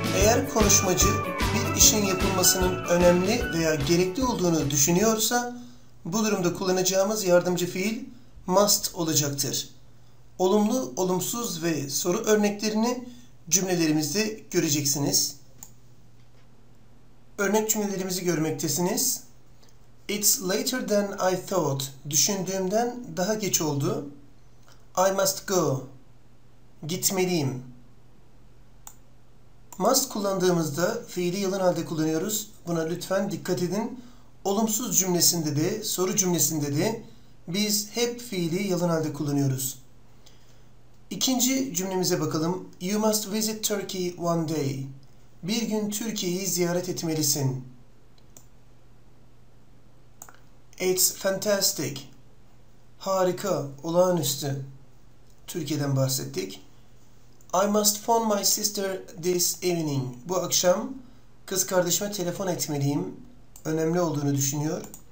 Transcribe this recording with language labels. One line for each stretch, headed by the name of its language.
Turkish: her konuşmacı bir işin yapılmasının önemli veya gerekli olduğunu düşünüyorsa, bu durumda kullanacağımız yardımcı fiil must olacaktır. Olumlu, olumsuz ve soru örneklerini cümlelerimizde göreceksiniz. Örnek cümlelerimizi görmektesiniz.
English: It's later than I thought.
Turkish: Düşündüğümden daha geç oldu.
English: I must go.
Turkish: Gitmeliyim. Must kullandığımızda fiili yalın halde kullanıyoruz. Buna lütfen dikkat edin. Olumsuz cümlesinde de, soru cümlesinde de biz hep fiili yalın halde kullanıyoruz. İkinci cümlemize bakalım.
English: You must visit Turkey one day.
Turkish: Bir gün Türkiye'yi ziyaret etmelisin.
English: It's fantastic.
Turkish: Harika, olağanüstü. Türkiye'den bahsettik.
English: I must phone my sister this evening.
Turkish: Bu akşam kız kardeşime telefon etmeliyim. Önemli olduğunu düşünüyor.